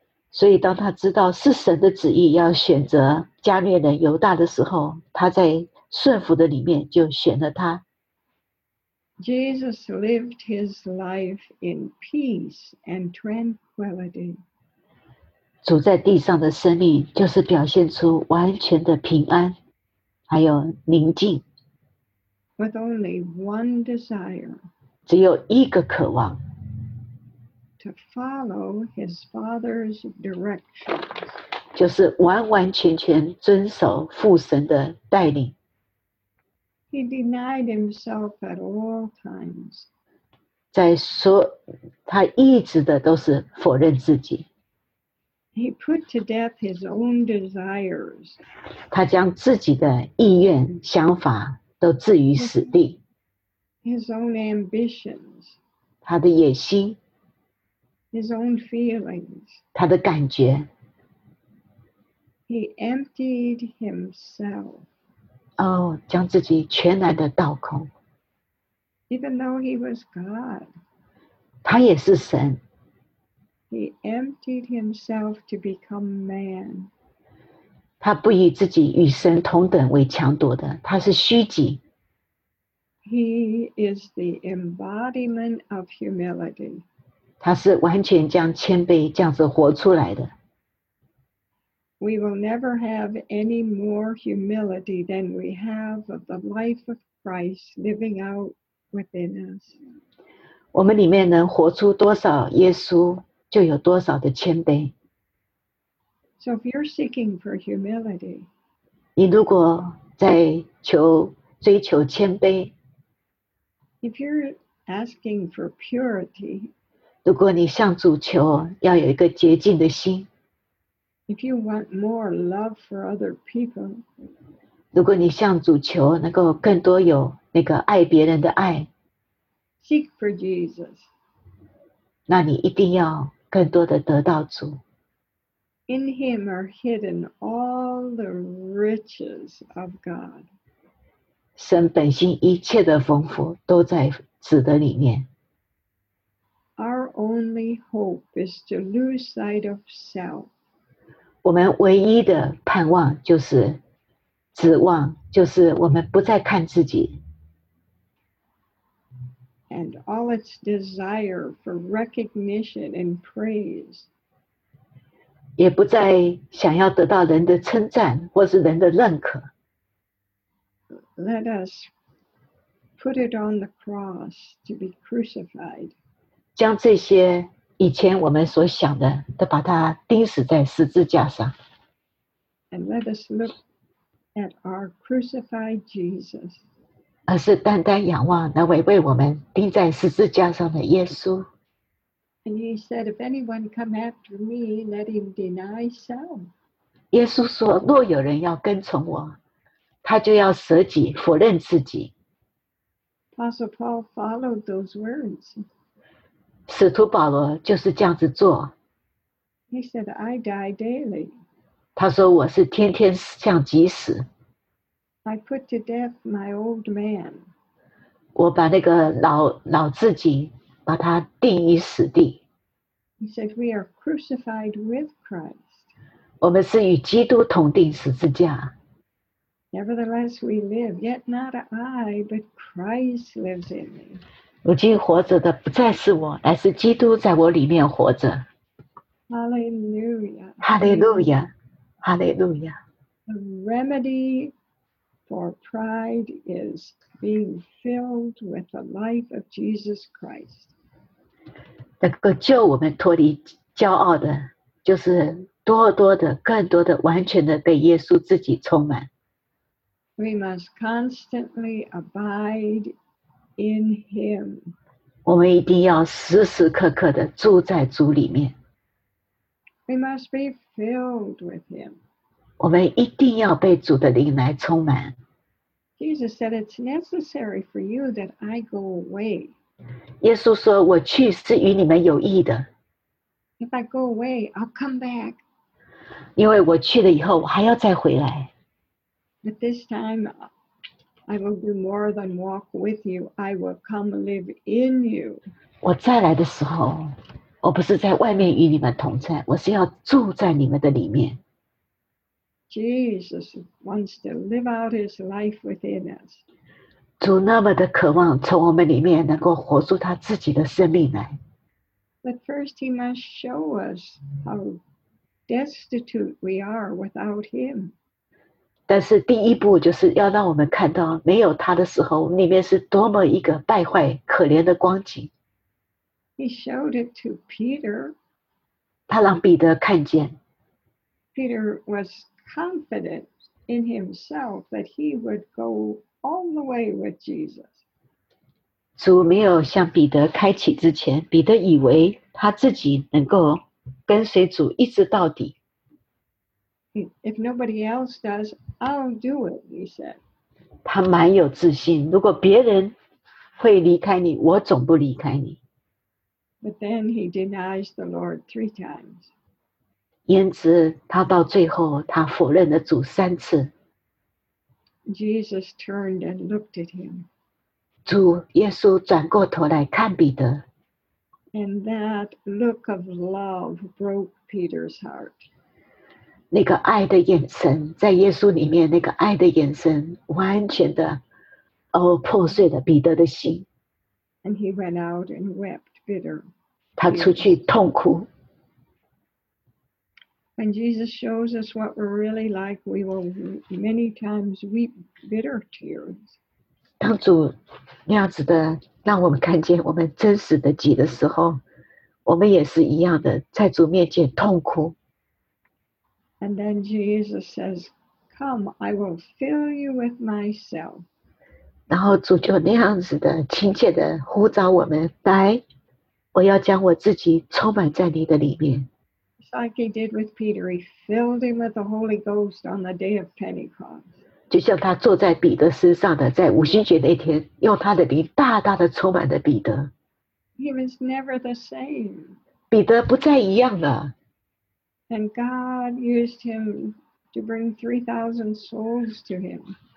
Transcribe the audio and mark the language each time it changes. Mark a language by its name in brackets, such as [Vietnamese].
[Chinese] 所以当他知道是神的旨意要选择加略人犹大的时候，他在顺服的里面就选了他。 [English] Jesus lived his life in peace and tranquility. [Chinese] 主在地上的生命就是表现出完全的平安，还有宁静。 [English] With only one desire, [Chinese] 只有一个渴望 [English] to follow his father's directions, [Chinese] 就是完完全全遵守父神的带领。 [English] He denied himself at all times, [Chinese] 在说他一直的都是否认自己。 [English] He put to death his own desires, [Chinese] 他将自己的意愿想法都置于死地。 [English] His own ambitions, [Chinese] 他的野心。 [English] His own feelings, [Chinese] 他的感觉。 [English] He emptied himself, [Chinese] 哦，将自己全然的倒空。 [English] Even though he was God, [Chinese] 他也是神。 [English] He emptied himself to become man. [Chinese] 他不以自己与神同等为强夺的，他是虚己。 [English] He is the embodiment of humility. [Chinese] 他是完全将谦卑这样子活出来的。 [English] We will never have any more humility than we have of the life of Christ living out within us. [Chinese] 我们里面能活出多少耶稣，就有多少的谦卑。 [English] So if you're seeking for humility, [Chinese] 你如果在追求谦卑。 [English] If you're asking for purity, [Chinese] 如果你向主求要有一个洁净的心。 [English] If you want more love for other people, [Chinese] 如果你向主求能够更多有那个爱别人的爱。 [English] Seek for Jesus, [Chinese] 那你一定要更多的得到主。 [English] In Him are hidden all the riches of God. [Chinese] 神本心一切的丰富都在子的里面。 [English] Our only hope is to lose sight of self. [Chinese] 我们唯一的盼望就是指望，就是我们不再看自己。 [English] And all its desire for recognition and praise. [Chinese] 也不再想要得到人的称赞或是人的认可。 [English] Let us put it on the cross to be crucified. [Chinese] 将这些以前我们所想的都把它钉死在十字架上。 [English] And let us look at our crucified Jesus. [Chinese] 而是单单仰望那位为我们钉在十字架上的耶稣。 [English] And he said, if anyone come after me, let him deny self. [Chinese] 耶稣说，若有人要跟从我，他就要舍己，否认自己。 [English] Apostle Paul followed those words. [Chinese] 使徒保罗就是这样子做。 [English] He said, I die daily. [Chinese] 他说，我是天天向己死。 [English] I put to death my old man. [Chinese] 我把那个老自己把它钉于死地。 [English] He said, we are crucified with Christ. [Chinese] 我们是与基督同钉十字架。 [English] Nevertheless, we live, yet not I, but Christ lives in me. [Chinese] 如今活着的不再是我，乃是基督在我里面活着。 [English] Hallelujah. Hallelujah. Hallelujah. The remedy for pride is being filled with the life of Jesus Christ. [Chinese] 能够救我们脱离骄傲的，就是多多的、更多的、完全的被耶稣自己充满。 [English] We must constantly abide in him. [Chinese] 我们一定要时时刻刻的住在主里面。 [English] We must be filled with him. [Chinese] 我们一定要被主的灵来充满。 [English] Jesus said, it's necessary for you that I go away. [Chinese] 耶稣说，我去是与你们有益的。 [English] If I go away, I'll come back. [Chinese] 因为我去了以后，我还要再回来。 [English] But this time, I will do more than walk with you. I will come live in you. [Chinese] 我再来的时候，我不是在外面与你们同在，我是要住在你们的里面。 [English] Jesus wants to live out his life within us. [Chinese] 主那么的渴望从我们里面能够活出他自己的生命来。 [English] But first, he must show us how destitute we are without him. [Chinese] 但是第一步就是要让我们看到没有他的时候里面是多么一个败坏可怜的光景。 [English] He showed it to Peter. [Chinese] 他让彼得看见。 [English] Peter was confident in himself that he would go all the way with Jesus. [Chinese] 主没有向彼得开启之前，彼得以为他自己能够跟随主一直到底。 [English] If nobody else does, I'll do it, he said. [Chinese] 他蛮有自信，如果别人会离开你，我总不离开你。 [English] But then he denies the Lord three times. [Chinese] 因此他到最后他否认了主三次。 [English] Jesus turned and looked at him. [Chinese] 主耶稣转过头来看彼得。 [English] And that look of love broke Peter's heart. [Chinese] 那个爱的眼神，在耶稣里面那个爱的眼神，完全的破碎了彼得的心。 [English] And he went out and wept bitter. [Chinese] 他出去痛哭。 [English] When Jesus shows us what we're really like, we will many times weep bitter tears. [Chinese] 当主那样子的让我们看见我们真实的己的时候，我们也是一样的，在主面前痛哭。 [English] And then Jesus says, come, I will fill you with myself. [Chinese] 然后主就那样子的亲切的呼召我们，来，我要将我自己充满在你的里面。 [English] Just like he did with Peter, he filled him with the Holy Ghost on the day of Pentecost. [Chinese] 就像他坐在彼得身上的，在五旬节那天，用他的灵大大的充满了彼得。 [English] He was never the same. [Chinese] 彼得不再一样了。 [English] And God used him to bring 3,000 souls to him.